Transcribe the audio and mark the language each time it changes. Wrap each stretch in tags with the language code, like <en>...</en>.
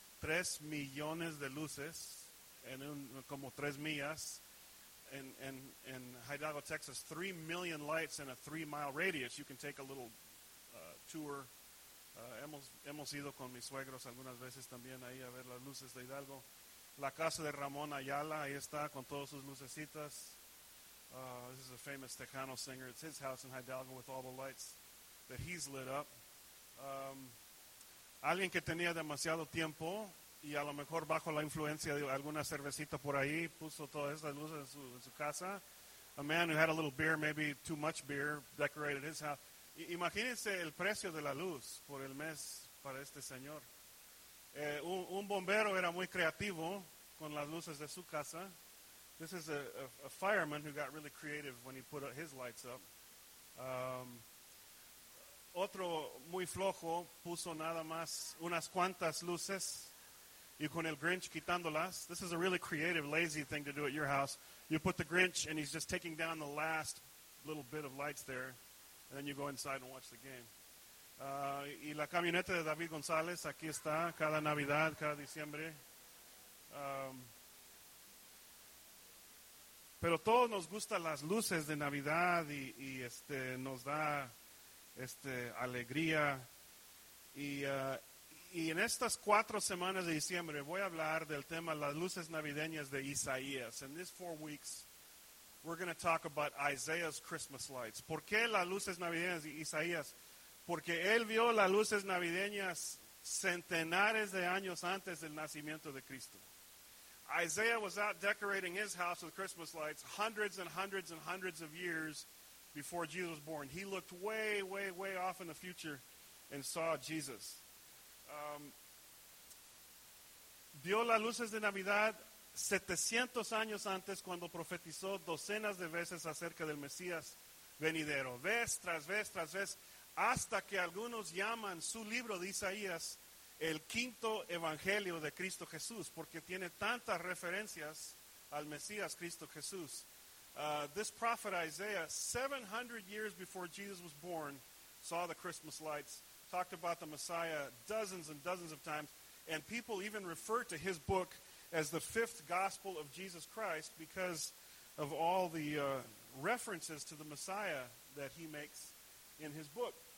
<es>3 millones de luces en como 3 millas in Hidalgo, Texas.</es> <en>3 million lights in a 3 mile radius. You can take a little tour.</en> <es>Hemos ido con mis suegros algunas veces también ahí a ver las luces de Hidalgo. La casa de Ramón Ayala, ahí está con todas sus lucecitas.</es> <en>This is a famous Tejano singer. It's his house in Hidalgo with all the lights that he's lit up.</en> <es>Alguien que tenía demasiado tiempo y a lo mejor bajo la influencia de alguna cervecita por ahí puso todas esas luces en su casa.</es> <en>A man who had a little beer, maybe too much beer, decorated his house.</en> <es>Imagínense el precio de la luz por el mes para este señor. Un bombero era muy creativo con las luces de su casa.</es> <en>This is a fireman who got really creative when he put his lights up.</en> <es>Otro muy flojo puso nada más unas cuantas luces y con el Grinch quitándolas.</es> <en>This is a really creative, lazy thing to do at your house. You put the Grinch and he's just taking down the last little bit of lights there. And then you go inside and watch the game.</en> <es>Y la camioneta de David González, aquí está, cada Navidad, cada Diciembre. Pero todos nos gustan las luces de Navidad y este nos da este alegría. Y en estas 4 semanas de Diciembre voy a hablar del tema las luces navideñas de Isaías.</es> <en>In these 4 weeks, we're going to talk about Isaiah's Christmas lights.</en> <es>¿Por qué las luces navideñas de Isaías? Porque él vio las luces navideñas centenares de años antes del nacimiento de Cristo.</es> <en>Isaiah was out decorating his house with Christmas lights hundreds and hundreds and hundreds of years before Jesus was born. He looked way, way, way off in the future and saw Jesus.</en> <es>Vio las luces de Navidad 700 años antes cuando profetizó docenas de veces acerca del Mesías venidero. Vez tras vez tras vez, hasta que algunos llaman su libro de Isaías el quinto evangelio de Cristo Jesús, porque tiene tantas referencias al Mesías Cristo Jesús.</es> <en>This prophet Isaiah, 700 years before Jesus was born, saw the Christmas lights, talked about the Messiah dozens and dozens of times, and people even refer to his book as the fifth gospel of Jesus Christ because of all the references to the Messiah that he makes in his book.</en>